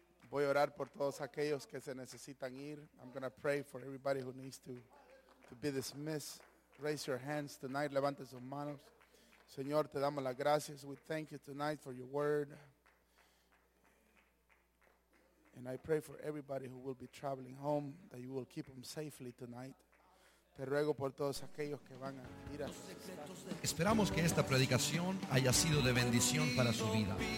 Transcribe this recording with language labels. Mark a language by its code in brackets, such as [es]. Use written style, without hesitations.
[es] Voy a orar por todos aquellos que se necesitan ir. [en] I'm going to pray for everybody who needs to be dismissed. Raise your hands tonight. [es] Levante sus manos. Señor, te damos las gracias. [en] We thank you tonight for your word. And I pray for everybody who will be traveling home that you will keep them safely tonight. [es] Te ruego por todos aquellos que van a ir a sus casas. Esperamos que esta predicación haya sido de bendición para su vida.